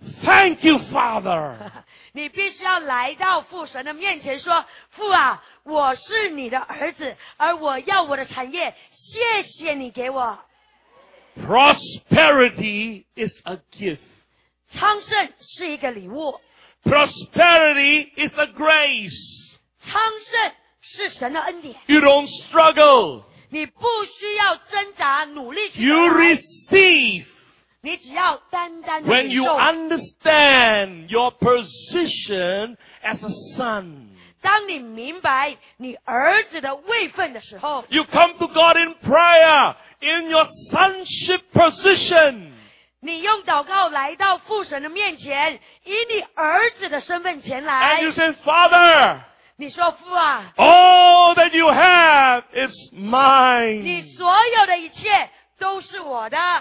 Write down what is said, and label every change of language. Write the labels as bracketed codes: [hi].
[en] Thank you, father. [zh] 你必须要来到父神的面前说，父啊，我是你的儿子，而我要我的产业，谢谢你给我。 [en] Prosperity is a gift. [zh] 昌盛是一个礼物。 [en] Prosperity is a grace. [zh] 昌盛是神的恩典。 [en] You don't struggle. [zh] 你不需要挣扎努力去。 [en] You receive. [zh] 你只要单单的领 [en] When you understand your position as a son. [zh] 当你明白你儿子的位分的时候。 [en] You come to God in prayer in your sonship position. [zh] 你用祷告来到父神的面前，以你儿子的身份前来。 [en] And you say, Father. [zh] 你说父啊， [en] All that you have is mine. [zh] 你所有的一切都是我的。